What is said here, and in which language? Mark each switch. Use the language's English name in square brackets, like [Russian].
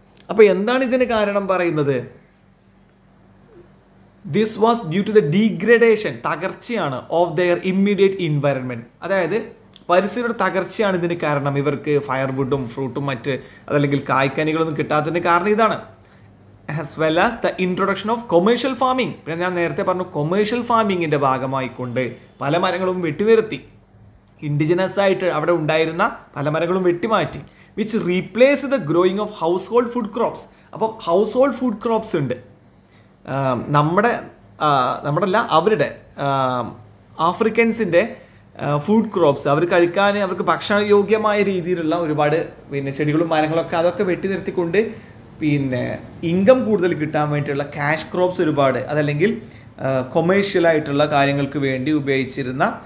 [Malayalam] അപ്പോൾ എന്താണ് ഇതിന് കാരണം പറയുന്നത്? [English] This was due to the degradation, [Malayalam] തകർച്ചയാണ്, [English] of their immediate environment. [Malayalam] അതായത് പരിസ്ഥിതിയുടെ തകർച്ചയാണ് ഇതിന് കാരണം. ഇവർക്ക് ഫയർവുഡും ഫ്രൂട്ടും മറ്റ് അതല്ലെങ്കിൽ കായ്ക്കനികളൊന്നും കിട്ടാത്തതിന് കാരണം ഇതാണ്. [English] As well as the introduction of commercial farming. [Malayalam] പിന്നെ ഞാൻ നേരത്തെ പറഞ്ഞു, കൊമേഴ്ഷ്യൽ ഫാമിങ്ങിൻ്റെ ഭാഗമായിക്കൊണ്ട് പല മരങ്ങളും വെട്ടിനിരത്തി, ഇൻഡിജിനസ് ആയിട്ട് അവിടെ ഉണ്ടായിരുന്ന പല മരങ്ങളും വെട്ടിമാറ്റി, [English] Which replace the growing of household food crops. [Malayalam] അപ്പം ഹൗസ് ഹോൾഡ് ഫുഡ് ക്രോപ്സ് ഉണ്ട്, നമ്മുടെ അല്ല അവരുടെ ആഫ്രിക്കൻസിൻ്റെ ഫുഡ് ക്രോപ്സ്, അവർ കഴിക്കാൻ അവർക്ക് ഭക്ഷണയോഗ്യമായ രീതിയിലുള്ള ഒരുപാട് പിന്നെ ചെടികളും മരങ്ങളൊക്കെ അതൊക്കെ വെട്ടി നിർത്തിക്കൊണ്ട് പിന്നെ ഇൻകം കൂടുതൽ കിട്ടാൻ വേണ്ടിയിട്ടുള്ള ക്യാഷ് ക്രോപ്സ് ഒരുപാട്, അതല്ലെങ്കിൽ കൊമേഴ്ഷ്യലായിട്ടുള്ള കാര്യങ്ങൾക്ക് വേണ്ടി ഉപയോഗിച്ചിരുന്ന